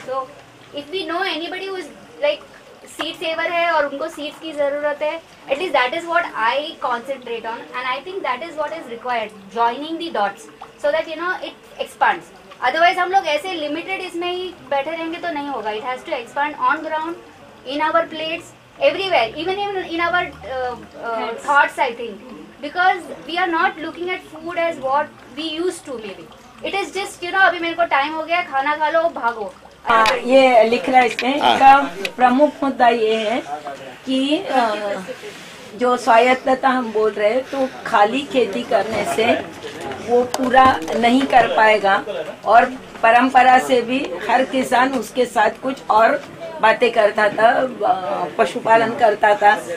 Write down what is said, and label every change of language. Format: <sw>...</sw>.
<en>So if we know anybody who is like seed saver</en> <hi>hai aur unko seeds ki zarurat hai,</hi> <en>at least that is what I concentrate on, and I think that is what is required, joining the dots so that you know it expands. Otherwise</en> <hi>hum log aise limited isme hi baithe rahenge to nahi hoga.</hi> <en>It has to expand on ground, in our plates, everywhere, even in our thoughts, I think. Because we are not looking at food as what we used to, maybe. It is just, you know,</en> <hi>अभी मेरे को time हो गया, खाना खा लो, भागो. ये लिख रहा है इसमें, इसका प्रमुख मुद्दा ये है कि जो स्वायत्तता हम बोल रहे हैं, तो खाली खेती करने से वो पूरा नहीं कर पाएगा. और परंपरा से भी हर किसान उसके साथ कुछ और बातें करता था, पशुपालन करता था.</hi>